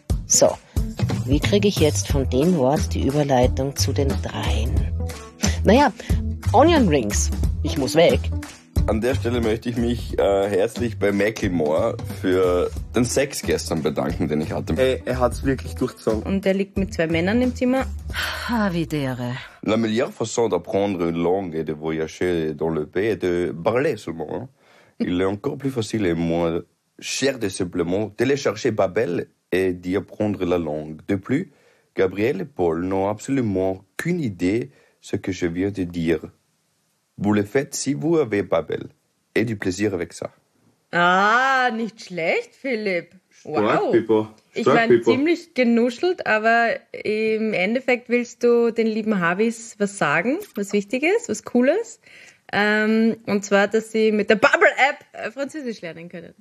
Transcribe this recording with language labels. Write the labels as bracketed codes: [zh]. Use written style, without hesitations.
[de] So, wie kriege ich jetzt von dem Wort die Überleitung zu den dreien? Naja, Onion Rings, ich muss weg. An der Stelle möchte ich mich herzlich bei Macklemore für den Sex gestern bedanken, den ich hatte. Ey, er hat's wirklich durchgezogen. Und er liegt mit zwei Männern im Zimmer. Ha, wie dere. [fr] La meilleure façon d'apprendre une langue et de voyager dans le pays est de parler seulement. Il est encore plus facile et moins cher de simplement télécharger Babbel et d'y apprendre la langue. De plus, Gabriel et Paul n'ont absolument aucune idée ce que je viens de dire. Vous le faites si vous avez Babbel. Et du plaisir avec ça. [de] Ah, nicht schlecht, Philipp. Wow. Ich war ziemlich genuschelt, aber im Endeffekt willst du den lieben Havis was sagen, was Wichtiges, was Cooles. Und zwar, dass sie mit der Babbel-App Französisch lernen können.